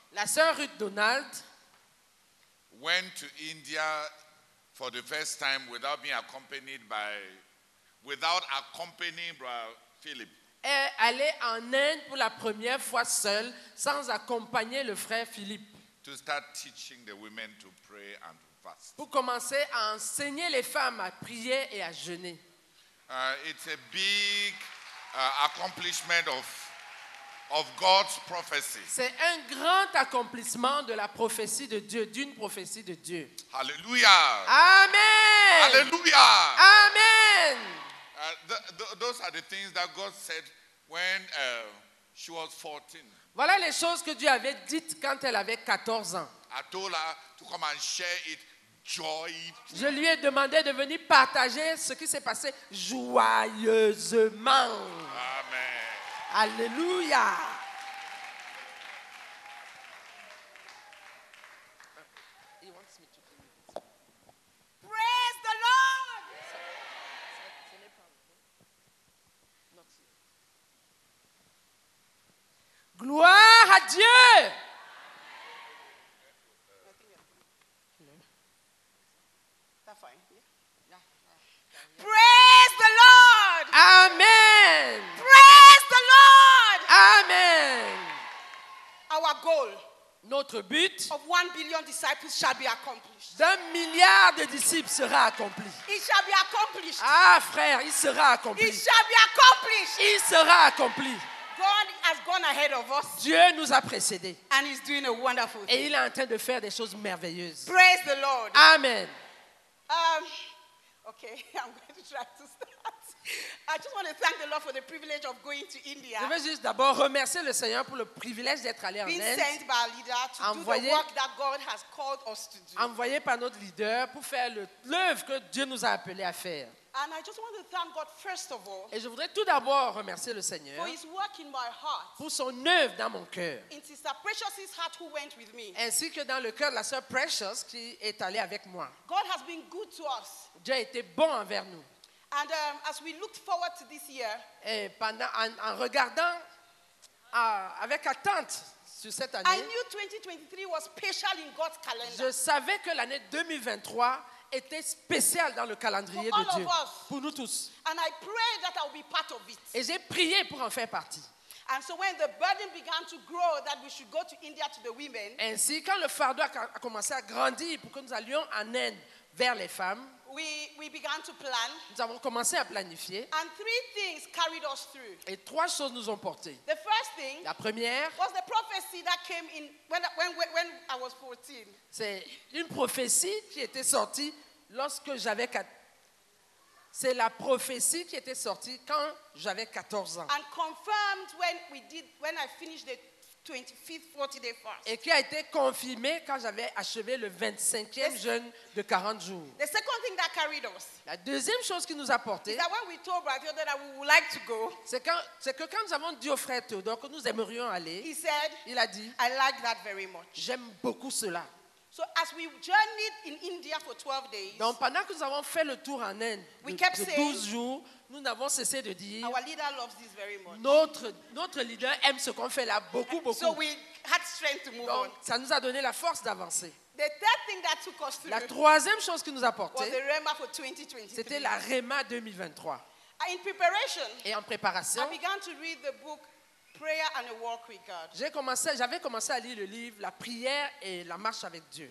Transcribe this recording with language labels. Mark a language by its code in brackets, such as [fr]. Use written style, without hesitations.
[fr] La sœur Ruth Donald [en] went to India for the first time without being accompanied by, without accompanying Brother Philip. [fr] Elle est allée en Inde pour la première fois seule, sans accompagner le frère Philippe. [en] To start teaching the women to pray and to fast. [fr] Pour commencer à enseigner les femmes à prier et à jeûner. [en] It's a big accomplishment of God's prophecy. [fr] C'est un grand accomplissement de la prophétie de Dieu, d'une prophétie de Dieu. [en] Hallelujah. Amen. Hallelujah. Amen. Those are the things that God said when she was 14. [fr] Voilà les choses que Dieu avait dites quand elle avait 14 ans. [en] I told her to come and share it joyfully. [fr] Je lui ai demandé de venir partager ce qui s'est passé joyeusement. [en] Amen. [fr] Alléluia. [en] He wants me to do it. Praise the Lord. [fr] Gloire à Dieu. [en] Praise the Lord. Amen. Praise the Lord. Amen. Our goal. [fr] Nos notre but [en] of 1 billion disciples shall be accomplished. [fr] D'un milliard de disciples sera accompli. [en] It shall be accomplished. [fr] Ah, frère, il sera accompli. [en] It shall be accomplished. [fr] Il sera accompli. [en] God has gone ahead of us. [fr] Dieu nous a précédés. [en] And he's doing a wonderful thing. [fr] Et il est en train de faire des choses merveilleuses. [en] Praise the Lord. Amen. I'm going to try to start. I just want to thank the Lord for the privilege of going to India. [fr] Je veux juste d'abord remercier le Seigneur pour le privilège d'être allé en Inde. [en] Being sent by our leader to envoyé, do the work that God has called us to do. [fr] Envoyé par notre leader pour faire l'œuvre que Dieu nous a appelé à faire. [en] And I just want to thank God first of all. [fr] Et je voudrais tout d'abord remercier le Seigneur [en] for his work in my heart. [fr] Pour son œuvre dans mon cœur. [en] In Sister Precious's heart who went with me. [fr] Ainsi que dans le cœur de la sœur Precious qui est allée avec moi. [en] God has been good to us. [fr] Dieu a été bon envers nous. [en] And as we looked forward to this year. [fr] Et pendant en regardant avec attente sur cette année. [en] I knew 2023 was special in God's calendar. [fr] Je savais que l'année 2023 était spécial dans le calendrier de Dieu pour nous tous. [en] And I pray that I'll be part of it. [fr] Et j'ai prié pour en faire partie. [en] And so when the burden began to grow that we should go to India to the women. [fr] Ainsi, quand le fardeau a commencé à grandir pour que nous allions en Inde vers les femmes, [en] we began to plan. [fr] Nous avons commencé à planifier. [en] And three things carried us through. [fr] Et trois choses nous ont portés. [en] The first thing, [fr] la première, [en] was the prophecy that came in when I was 14. [fr] C'est une prophétie qui était sortie lorsque j'avais 14. C'est la prophétie qui était sortie quand j'avais 14 ans. [en] And confirmed when I finished the 25th 40-day fast. [fr] Et qui a été confirmé quand j'avais achevé le 25e jeûne de 40 jours. [en] The second thing that carried us. [fr] La deuxième chose qui nous a porté. [en] Is that when we told Brother Theodore that we would like to go. [fr] C'est que quand nous avons dit au frère Theodore que nous aimerions aller. [en] He said. [fr] Il a dit. [en] I like that very much. [fr] J'aime beaucoup cela. [en] So as we journeyed in India for 12 days. [fr] Donc pendant que nous avons fait le tour en Inde de 12 jours. Nous n'avons cessé de dire. [en] Our leader loves this very much. [fr] Notre leader aime ce qu'on fait là beaucoup beaucoup. [en] So we had strength to move [fr] donc, [en] on. [fr] Ça nous a donné la force d'avancer. [en] The third thing that took us through. [fr] La troisième chose qui nous a porté. [en] Was the Rema for 2023. [fr] C'était la Rema 2023. [en] In preparation. [fr] Et en préparation. [en] I began to read the book Prayer and a Walk with God. [fr] J'avais commencé à lire le livre La prière et la marche avec Dieu.